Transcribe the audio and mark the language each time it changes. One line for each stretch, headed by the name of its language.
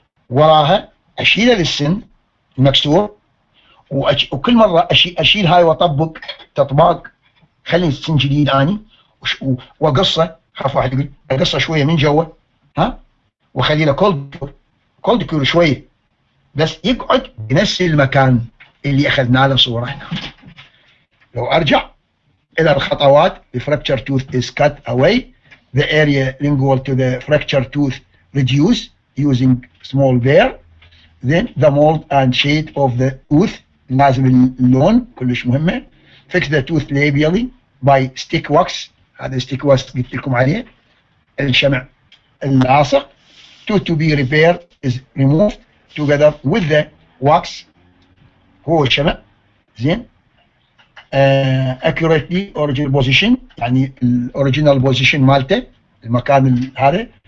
Arabic: وراها أشيله للسن المكسور، وكل مرة أشيل هاي وأطبق تطباق خلي السن جديد آني، وقصه خاف واحد يقول أقصه شوية من جوه، ها وخلي له كولد كيور شوية بس يقعد بنفس المكان اللي أخذنا له صورة هنا.
English: لو أرجع إلى الخطوات، the fracture tooth is cut away, the area lingual to the fracture tooth reduced using small bear, then the mold and shade of the tooth
Arabic: لازم اللون كلش مهمة.
English: Fix the tooth labially by stick wax.
Arabic: هذا stick wax قلت لكم عليه الشمع اللاصق.
English: Tooth to be repaired is removed together with the wax.
Arabic: هو الشمع زين.
English: Accurately original position
Arabic: يعني الoriginal position مالته المكان هذا.